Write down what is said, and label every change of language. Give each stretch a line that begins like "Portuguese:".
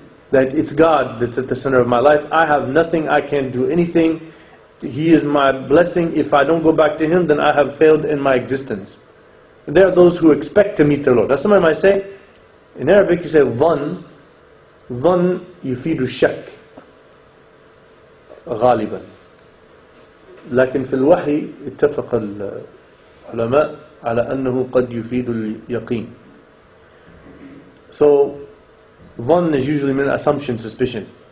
English: That it's God that's at the center of my life. I have nothing. I can't do anything. He is my blessing. If I don't go back to Him, then I have failed in my existence. There are those who expect to meet the Lord. Now somebody might say, in Arabic you say, Dhan yufidu shak. Ghaliban.
Arabic: لكن في الوحي اتفق العلماء على أنه قد يفيد اليقين.
English: So, ظن is usually meant assumption, suspicion.